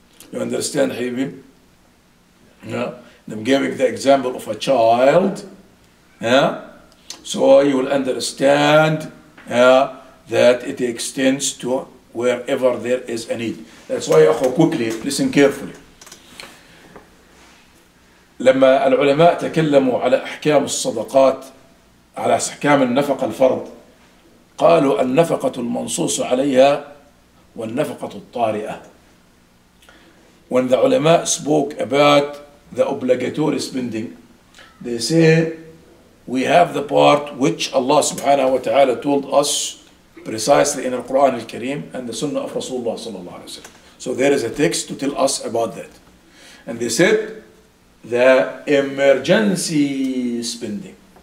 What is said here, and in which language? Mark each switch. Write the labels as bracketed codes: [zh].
[en] You understand, Habib? I'm giving the example of a child. So you will understand that it extends to wherever there is a need. That's why, quickly, listen carefully. [ar] لما العلماء تكلموا على أحكام الصدقات على أحكام النفقة الفرض قالوا النفقة المنصوص عليها والنفقة الطارئة. [en] When the ulama spoke about the obligatory spending. They say we have the part which Allah subhanahu wa ta'ala told us precisely in the Quran al-Kareem and the Sunnah of Rasulullah sallallahu alayhi wa sallam. So there is a text to tell us about that. And they said the emergency spending.